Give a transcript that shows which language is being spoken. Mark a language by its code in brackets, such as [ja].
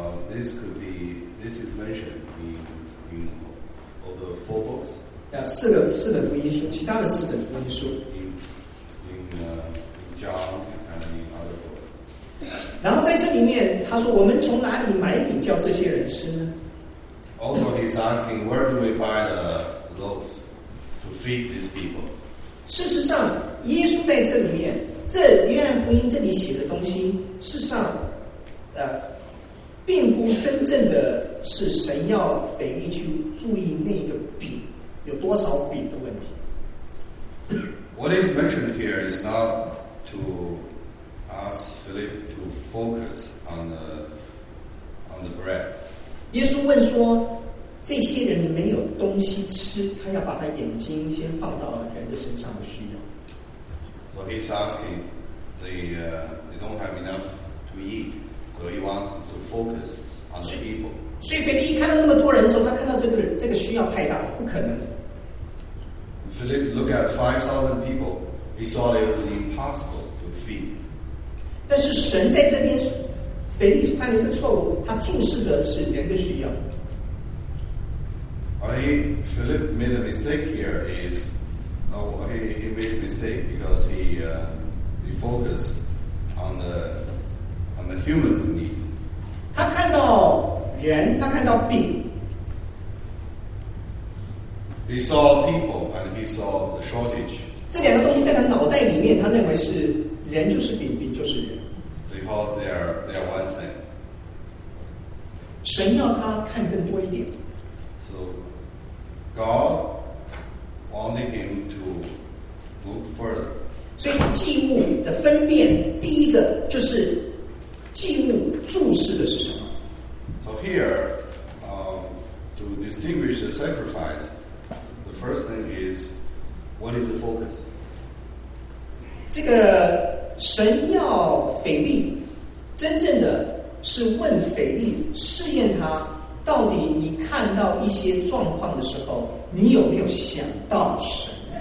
[en] This is mentioned in all the four books. [zh] 四本福音书，其他的四本福音书。 [en] In John and in other book. [zh] 然后在这里面，他说：“我们从哪里买饼叫这些人吃呢？” [en] Also, he's asking, where do we buy the loaves to feed these people? [zh] 事实上，耶稣在这里面，这约翰福音这里写的东西，事实上，并不真正的是神要腓力去注意那个饼有多少饼的问题。 [en] What is mentioned here is not to ask Philip to focus on the bread. [zh] 耶稣问说，这些人没有东西吃，他要把他眼睛先放到人的身上的需要。 [en] So he's asking, they don't have enough to eat. So he wants to focus on the people. [zh] 所以腓力一看到那么多人的时候，他看到这个需要太大了，不可能。 [en] Philip looked at 5,000 people. He saw it was impossible to feed. [zh] 但是神在这边，腓力犯了一个错误，他注视的是人的需要。 [en] Philip made a mistake here. Is he made a mistake because he focused on the. And the human's need. [zh] 他看到人，他看到病。 [en] He saw people and he saw the shortage. [zh] 这两个东西在他脑袋里面，他认为是人就是病，病就是人。 [en] They thought they are one thing. [zh] 神要他看更多一点。 [en] So God wanted him to look further. [zh] 所以祭物的分辨，第一个就是。祭物注视的是什么 [en] ？So here, to distinguish the sacrifice, the first thing is, what is the focus? [zh] 这个神要腓力，真正的是问腓力，试验他到底你看到一些状况的时候，你有没有想到神